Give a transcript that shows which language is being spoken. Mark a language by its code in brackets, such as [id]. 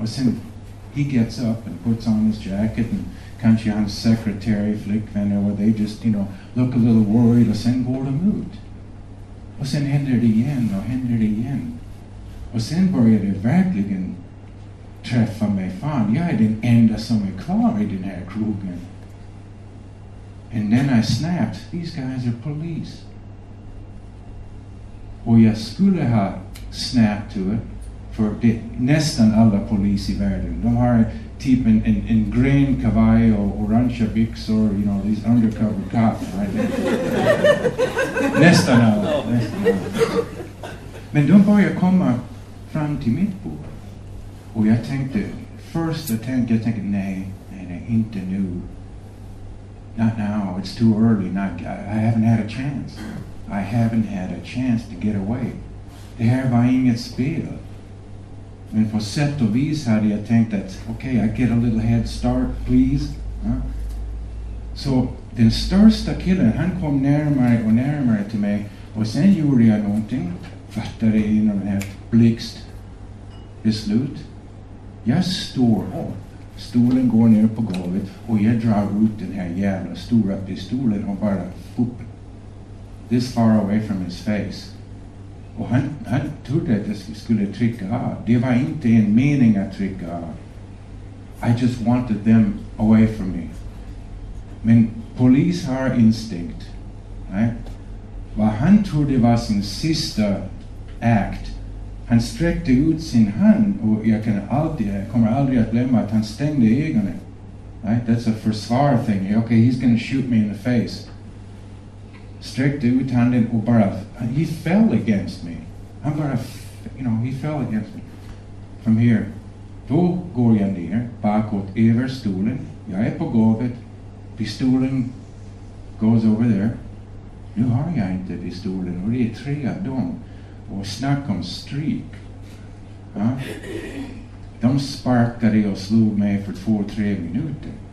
[en] Och sen, he gets up and puts on his jacket and [sv] kanske hans [en] secretary, [sv] flickvän, [en] or they just, you know, look a little worried [sv] och sen går de ut. Och sen händer det igen och händer det igen. Och sen börjar det verkligen träffa mig. Fan, jag är den enda som är kvar i den här krogen. [en] And then I snapped, these guys are police. [sv] Och jag skulle ha [en] snapped to it, [sv] för det nästan alla polis i världen. De har typ en green kavaj och orange byxor, [en] you know, these undercover cops, right? [sv] nästan alla. Men de börjar komma fram till mitt bord. Och jag tänkte, jag tänkte, nej, inte nu. [en] Not now, it's too early, I haven't had a chance to get away. [sv] Det här var inget spel. Men på sätt och vis hade jag tänkt att, okej, [en] I get a little head start, please. [sv] Huh? Så den största killen, han kom närmare och närmare till mig. Och sen gjorde jag någonting, fattade in och ett blixt beslut. Jag står upp. Stolen går ner på golvet och jag drar ut den här jävla stora pistolen och bara fup, [en] this far away from his face. [sv] Och han trodde att jag skulle trycka av. Det var inte en mening att trycka av. [en] I just wanted them away from me. [sv] Men polis har instinkt. [en] Right? [sv] Vad han trodde var sin sista act. Han sträckte ut sin hand och jag kommer aldrig att glömma att han stängde ögonen. [en] Right? That's a försvar thing. Okay, he's gonna shoot me in the face. [sv] Sträckte ut handen och bara, [en] he fell against me. [sv] Han bara, [en] you know, he fell against me. From here. [sv] Då går jag ner bakåt över stolen. Jag är på golvet. Pistolen [en] goes over there. [sv] Nu har jag inte pistolen och det är 3 av dem. Och snack om streak. Huh? De sparkade och slog mig för 2-3 minuter.